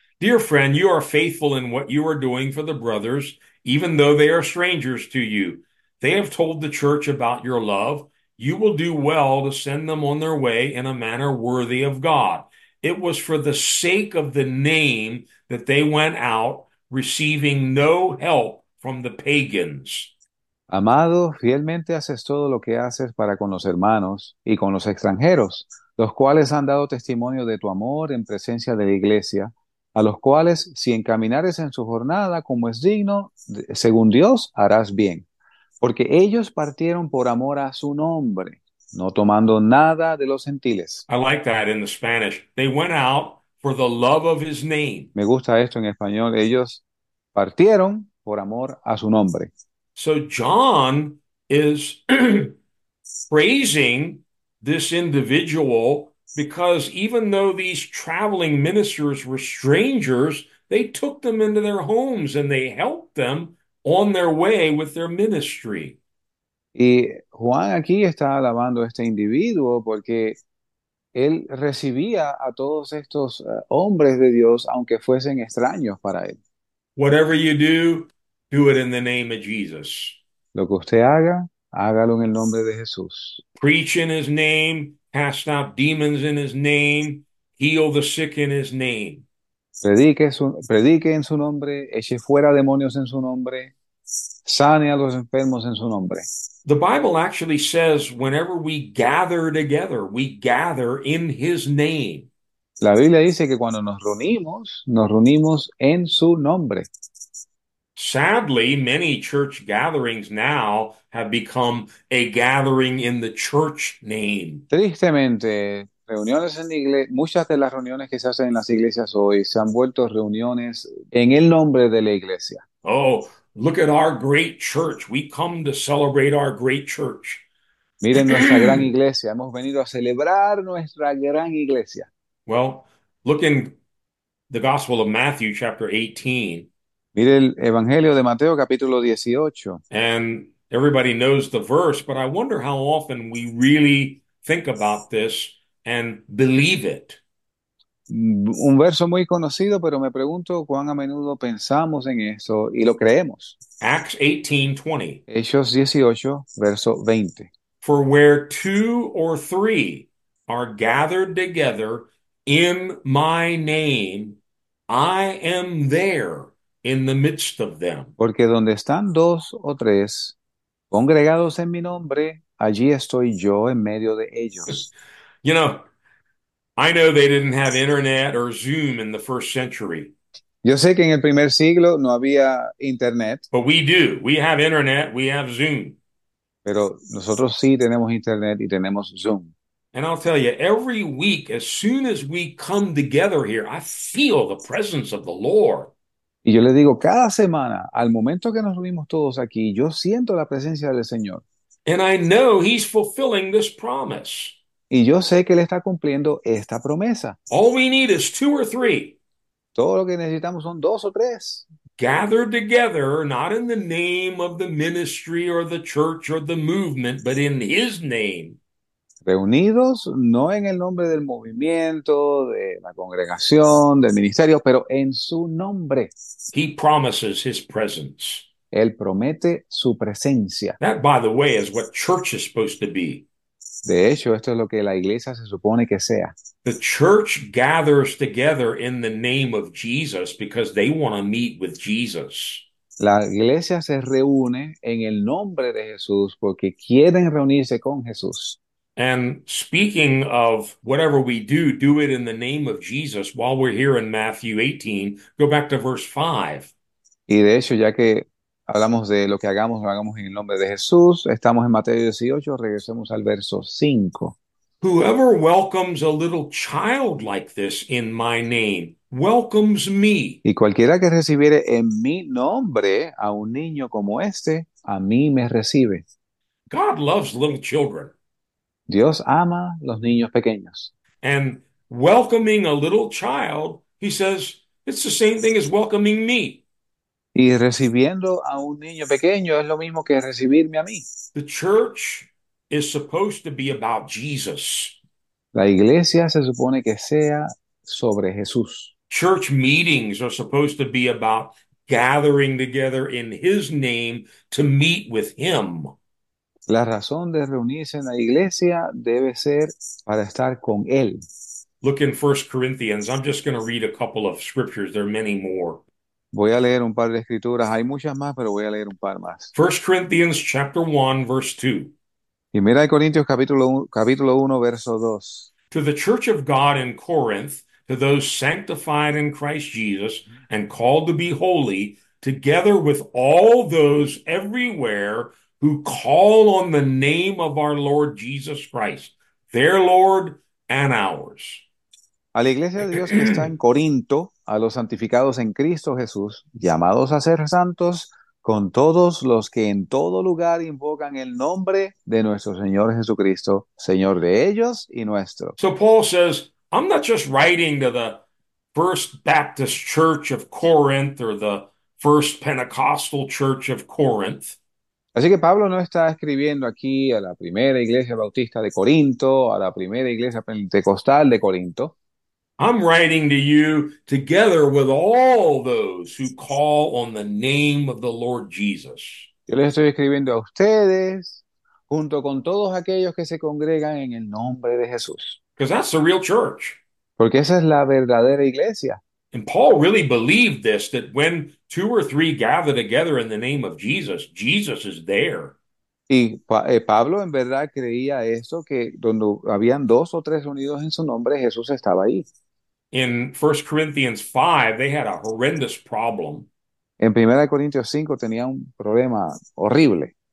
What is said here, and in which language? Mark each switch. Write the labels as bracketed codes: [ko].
[en] Dear friend, you are faithful in what you are doing for the brothers, even though they are strangers to you. They have told the church about your love. You will do well to send them on their way in a manner worthy of God. It was for the sake of the name that they went out, receiving no help from the pagans. [es] Amado, fielmente haces todo lo que haces para con los hermanos y con los extranjeros, los cuales han dado testimonio de tu amor en presencia de la iglesia, a los cuales, si encaminares en su jornada como es digno, según Dios, harás bien, porque ellos partieron por amor a su nombre, no tomando nada de los gentiles. [en] I like that in the Spanish. They went out for the love of his name. [es] Me gusta esto en español, ellos partieron por amor a su nombre. [en] So John is praising this individual because even though these traveling ministers were strangers, they took them into their homes and they helped them on their way with their ministry. [es] Y Juan aquí está alabando a este individuo porque él recibía a todos estos hombres de Dios, aunque fuesen extraños para él. [en] Whatever you do, do it in the name of Jesus. [es] Lo que usted haga, hágalo en el nombre de Jesús. [en] Preach in his name, cast out demons in his name, heal the sick in his name. [es] Predique en su nombre, eche fuera demonios en su nombre, sane a los enfermos en su nombre. [en] The Bible actually says whenever we gather together, we gather in his name. [es] La Biblia dice que cuando nos reunimos en su nombre. [en] Sadly, many church gatherings now have become a gathering in the church name. [es] Tristemente, reuniones en iglesia, muchas de las reuniones que se hacen en las iglesias hoy se han vuelto reuniones en el nombre de la iglesia. [en] Oh, look at our great church. We come to celebrate our great church. [es] Miren nuestra gran iglesia, hemos venido a celebrar nuestra gran iglesia. [en] Well, look in the Gospel of Matthew, chapter 18. [es] Mire el Evangelio de Mateo, capítulo 18. [en] And everybody knows the verse, but I wonder how often we really think about this and believe it. [es] Un verso muy conocido, pero me pregunto cuán a menudo pensamos en eso y lo creemos. [en] Acts 18:20. [es] Hechos 18, verso 20. [en] For where two or three are gathered together in my name, I am there in the midst of them. [es] Porque donde están dos o tres congregados en mi nombre, allí estoy yo en medio de ellos. [en] You know, I know they didn't have internet or Zoom in the first century. [es] Yo sé que en el primer siglo no había internet. [en] But we do. We have internet, we have Zoom. [es] Pero nosotros sí tenemos internet y tenemos Zoom. [en] And I'll tell you, every week, as soon as we come together here, I feel the presence of the Lord. [es] Y yo le digo, cada semana, al momento que nos reunimos todos aquí, yo siento la presencia del Señor. [en] And I know he's fulfilling this promise. [es] Y yo sé que Él está cumpliendo esta promesa. [en] All we need is two or three [es] Todo lo que necesitamos son dos o tres. [en] gathered together, not in the name of the ministry or the church or the movement, but in his name. [es] Reunidos no en el nombre del movimiento, de la congregación, del ministerio, pero en su nombre. [en] He promises his presence. [es] Él promete su presencia. [en] That, by the way, is what church is supposed to be. [es] De hecho, esto es lo que la iglesia se supone que sea. [en] The church gathers together in the name of Jesus because they want to meet with Jesus. [es] La iglesia se reúne en el nombre de Jesús porque quieren reunirse con Jesús. [en] And speaking of whatever we do, do it in the name of Jesus. While we're here in Matthew 18, go back to verse 5. [es] Y de hecho, ya que hablamos de lo hagamos en el nombre de Jesús, estamos en Mateo 18, regresemos al verso 5. [en] Whoever welcomes a little child like this in my name welcomes me. [es] Y cualquiera que recibiere en mi nombre a un niño como este, a mí me recibe. [en] God loves little children. [es] Dios ama los niños pequeños. [en] And welcoming a little child, he says, it's the same thing as welcoming me. [es] Y recibiendo a un niño pequeño es lo mismo que recibirme a mí. [en] The church is supposed to be about Jesus. [es] La iglesia se supone que sea sobre Jesús. [en] Church meetings are supposed to be about gathering together in his name to meet with him. [es] La razón de reunirse en la iglesia debe ser para estar con Él. [en] Look in 1 Corinthians. I'm just going to read a couple of scriptures. There are many more. [es] Voy a leer un par de escrituras. Hay muchas más, pero voy a leer un par más. [en] 1 Corinthians chapter 1, verse 2. [es] Primera de Corintios capítulo 1, verso 2. [en] To the church of God in Corinth, to those sanctified in Christ Jesus and called to be holy, together with all those everywhere who call on the name of our Lord Jesus Christ, their Lord and ours. [es] A la iglesia de Dios que está en Corinto, a los santificados en Cristo Jesús, llamados a ser santos, con todos los que en todo lugar invocan el nombre de nuestro Señor Jesucristo, Señor de ellos y nuestro. [en] So Paul says, I'm not just writing to the First Baptist Church of Corinth or the First Pentecostal Church of Corinth. [es] Así que Pablo no está escribiendo aquí a la primera iglesia bautista de Corinto, a la primera iglesia pentecostal de Corinto. [en] I'm writing to you together with all those who call on the name of the Lord Jesus. [es] Yo les estoy escribiendo a ustedes, junto con todos aquellos que se congregan en el nombre de Jesús. [en] Because that's the real church. [es] Porque esa es la verdadera iglesia. [en] And Paul really believed this, that when two or three gather together in the name of Jesus, Jesus is there. [es] Y Pablo en verdad creía esto, que donde habían dos o tres reunidos en su nombre, Jesús estaba ahí. [en] In 1 Corinthians 5, they had a horrendous problem. [es] En 1 Corintios 5 tenía un problema horrible.